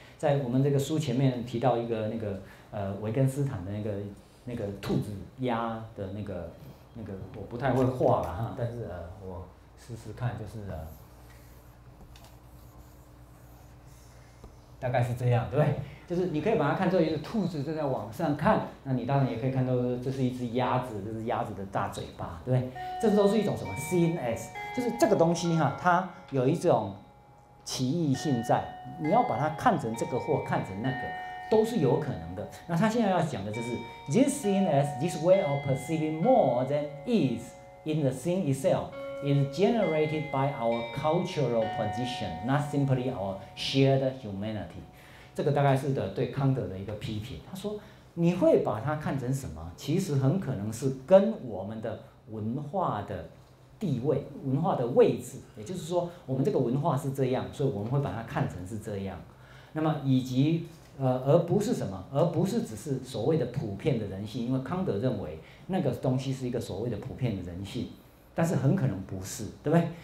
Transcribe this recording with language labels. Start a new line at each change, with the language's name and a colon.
Chinese: 在我们这个书前面提到一个那个维根斯坦的那个兔子鸭的那个，我不太会画了哈，但是我试试看，就是大概是这样，对不对？就是你可以把它看作一个兔子正在往上看，那你当然也可以看作这是一只鸭子，这是鸭子的大嘴巴，对不对？这都是一种什么
English: scene as。”
Chinese: 就是这个东西哈，它有一种奇异性在，你要把它看成这个或看成那个，都是有可能的。那他现在要讲的就是
English: ，this thing as this way of perceiving more than is in the thing itself is generated by our cultural position, not simply our shared humanity。
Chinese: 这个大概是的对康德的一个批评。他说你会把它看成什么，其实很可能是跟我们的文化的地位、文化的位置，也就是说我们这个文化是这样，所以我们会把它看成是这样。那么以及而不是什么，而不是只是所谓的普遍的人性，因为康德认为那个东西是一个所谓的普遍的人性，但是很可能不是，对不对？